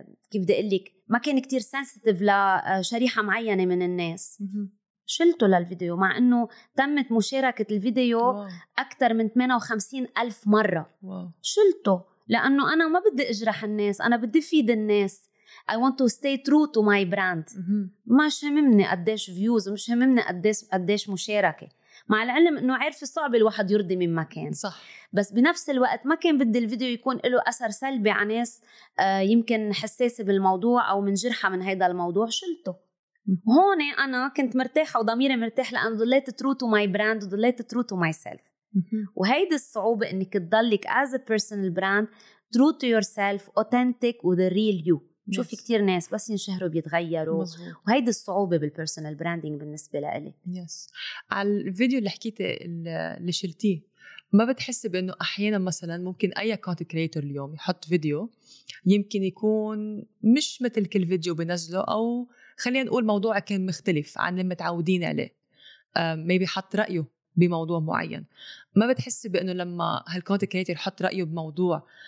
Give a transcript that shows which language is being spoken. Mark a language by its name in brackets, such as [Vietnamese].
[Arabic] كيف بدي أقولك ما كان كتير سنسيتيف لشريحة معينة من الناس شلته للفيديو, مع أنه تمت مشاركة الفيديو أكتر من 58 ألف مرة. واو. شلته لأنه أنا ما بدي أجرح الناس, أنا بدي فيد الناس. [English] I want to stay true to my brand. [Arabic] مش هممني قديش فيوز, مش هممني قديش مشاركة, مع العلم انه عارف صعب الواحد يرضي من مكان. صح. بس بنفس الوقت ما كان بدي الفيديو يكون له اثر سلبي على ناس يمكن حساسه بالموضوع او منجرحه من هذا الموضوع, شلته. هون انا كنت مرتاحه وضميري مرتاح لانه ضليت [English] true to my brand [Arabic] وضليت [English] True to myself. [Arabic] وهيدي الصعوبه انك تضلك [English] as a personal brand true to yourself authentic with the real you. [Arabic] شوفي كتير ناس بس ينشهروا بيتغيروا. مزهور. وهيدي الصعوبة بالبرسونال براندينج بالنسبة لألي. يس. على الفيديو اللي حكيتي اللي شلتيه, ما بتحسي بأنه أحيانا مثلا ممكن أي كونت كريتور اليوم يحط فيديو يمكن يكون مش مثل كل فيديو بنزله, أو خلينا نقول موضوع كان مختلف عن اللي متعودين عليه, maybe حط رأيه بموضوع معين, ما بتحسي بأنه لما هالكونت كريتور يحط رأيه بموضوع